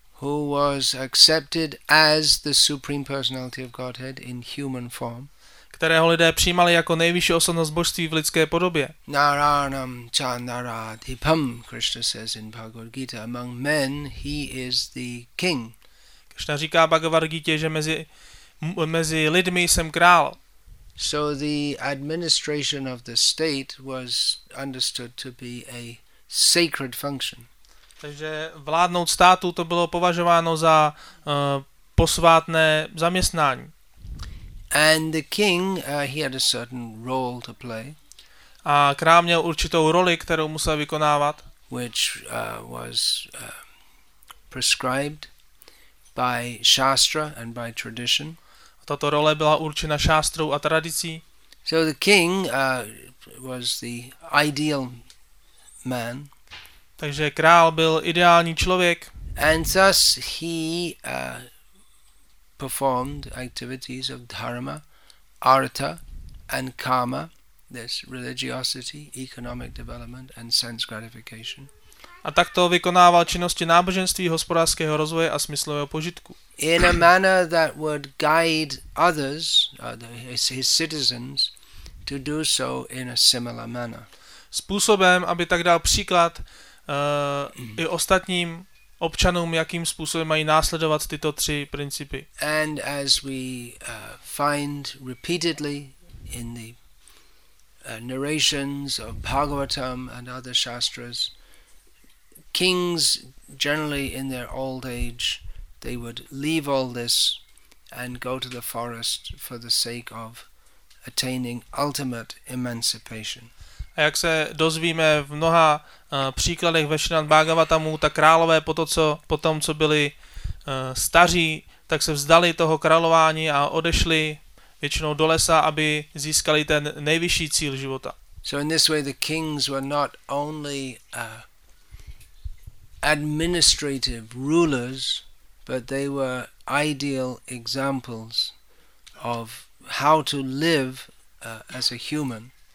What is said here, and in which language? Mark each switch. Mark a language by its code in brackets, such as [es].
[en] Who was accepted as the supreme personality of Godhead in human form. [cs] Kterého lidé přijímali jako nejvyšší osobnost božství v lidské podobě. [sa] Narānam ca narādhipam, [en] Krishna says in Bhagavad Gita, among men he is the king. [cs] Krishna říká Bhagavad Gita, že mezi lidmi jsem král. [en] So the administration of the state was understood to be a sacred function. [cs] Takže vládnout státu, to bylo považováno za posvátné zaměstnání. [en] And the king, he had a certain role to play. [cs] A král měl určitou roli, kterou musel vykonávat. [en] Which was prescribed by shastra and by tradition. [cs] Tato role byla určena šástrou a tradicí. [en] So the king was the ideal man. [cs] Takže král byl ideální člověk. [en] And thus he performed activities of dharma, artha and kama, this religiosity, economic development and sense gratification. [cs] A takto vykonával činnosti náboženství, hospodářského rozvoje a smyslového požitku. [en] In a manner that would guide others, his citizens, to do so in a similar manner. [cs] Způsobem, aby tak dal příklad i ostatním občanům, jakým způsobem mají následovat tyto tři principy. [en] And as we find repeatedly in the narrations of Bhagavatam and other shastras, kings generally in their old age, they would leave all this and go to the forest for the sake of attaining ultimate emancipation. [cs] A jak se dozvíme v mnoha příkladech ve Šrimad Bhagavatamu, tak králové po tom, co byli staří, tak se vzdali toho králování a odešli většinou do lesa, aby získali ten nejvyšší cíl života. [en] So in this way the kings were not only administrative rulers, but they were ideal examples of how to live as a human.